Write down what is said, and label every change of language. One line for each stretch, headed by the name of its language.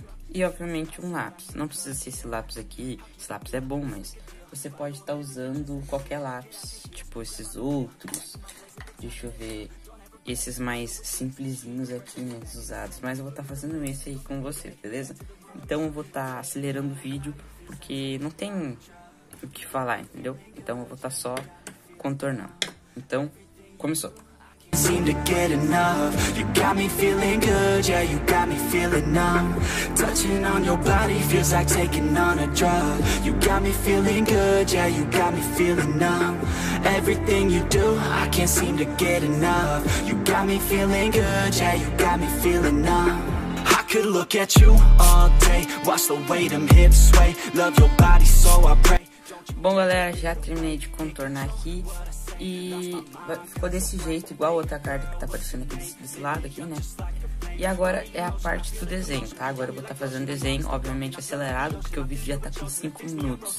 Portuguese: E obviamente um lápis. Não precisa ser esse lápis aqui, esse lápis é bom, mas você pode estar usando qualquer lápis, tipo esses outros. Deixa eu ver. Esses mais simplesinhos aqui, menos usados. Mas eu vou estar fazendo esse aí com você, beleza? Então eu vou estar acelerando o vídeo, porque não tem o que falar, entendeu? Então eu vou estar só contornando. Então, começou.
English: Seem to get enough. You got me feeling good, yeah, you got me feeling numb. Touching on your body feels like taking on a drug. You got me feeling good, yeah, you got me feeling numb. Everything you do, I can't seem to get enough. You got me feeling good, yeah, you got me feeling numb. Could look at you all day, watch the way them hips sway. Love your body so I pray.
Portuguese: Bom galera, já terminei de contornar aqui. E ficou desse jeito, igual a outra carta que tá aparecendo aqui desse lado aqui, né? E agora é a parte do desenho, tá? Agora eu vou estar fazendo desenho, obviamente acelerado, porque o vídeo já tá com 5 minutos.